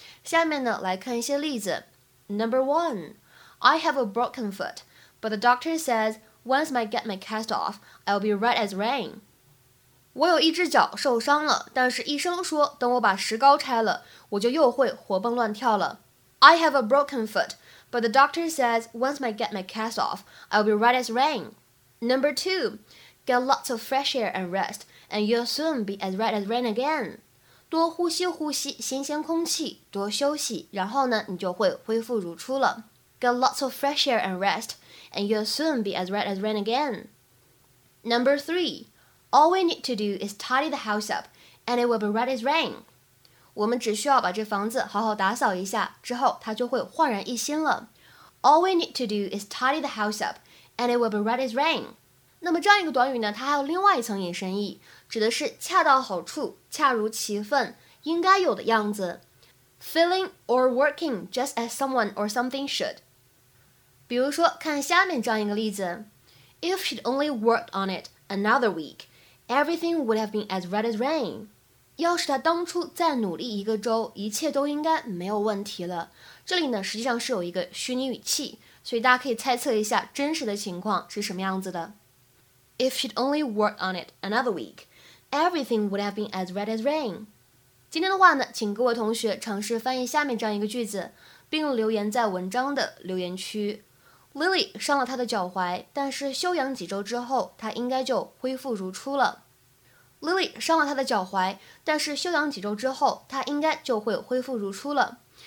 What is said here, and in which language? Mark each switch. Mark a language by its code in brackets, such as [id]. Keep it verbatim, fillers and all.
[zh] 下面呢来看一些例子。 [en] Number one, I have a broken foot, but the doctor says once I get my cast off, I'll be right as rain. [zh] 我有一只脚受伤了，但是医生说等我把石膏拆了，我就又会活蹦乱跳了。 [en] I have a broken foot, but the doctor says once I get my cast off, I'll be right as rain. Number two, get lots of fresh air and rest, and you'll soon be as right as rain again. [zh] 多呼吸呼吸新鲜空气，多休息，然后呢，你就会恢复如初了。 [en] Get lots of fresh air and rest, and you'll soon be as right as rain again. Number three, all we need to do is tidy the house up, and it will be right as rain. [zh] 我们只需要把这房子好好打扫一下，之后它就会焕然一新了。 [en] All we need to do is tidy the house up, and it will be right as rain. [zh] 那么这样一个短语呢，它还有另外一层引申义，指的是恰到好处，恰如其分，应该有的样子。 [en] Feeling or working just as someone or something should. [zh] 比如说，看下面这样一个例子 [en] ：If she'd only worked on it another week, everything would have been as right as rain. [zh] 要是她当初再努力一个周，一切都应该没有问题了。这里呢，实际上是有一个虚拟语气，所以大家可以猜测一下真实的情况是什么样子的。 [en] If she'd only worked on it another week, everything would have been as right as rain. [zh] 今天的话呢，请各位同学尝试翻译下面这样一个句子，并留言在文章的留言区。 Lily 伤了她的脚踝，但是休养几周之后，她应该就恢复如初了。 Lily 伤了她的脚踝，但是休养几周之后，她应该就会恢复如初了。